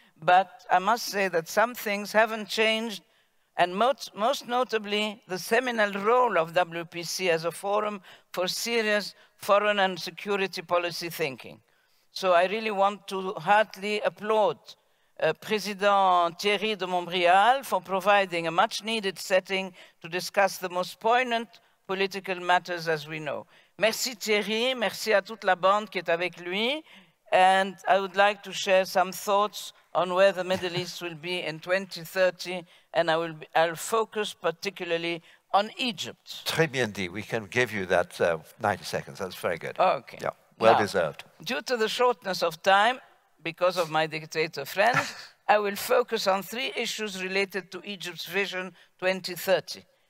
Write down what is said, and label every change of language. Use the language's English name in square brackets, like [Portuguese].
[English] But I must say that some things haven't changed, and most notably, the seminal role of WPC as a forum for serious foreign and security policy thinking. So I really want to heartily applaud President Thierry de Montbrial for providing a much needed setting to discuss the most poignant political matters as we know. [French] Merci Thierry, merci à toute la bande qui est avec lui. [English] And I would like to share some thoughts on where the Middle East will be in 2030. And I'll focus particularly on Egypt. [French] Très bien dit. [English] We can give you that 90 seconds. That's very good. Okay. Yeah. Well deserved. Due to the shortness of time, because of my dictator friends, I will focus on three issues related to Egypt's vision 2030.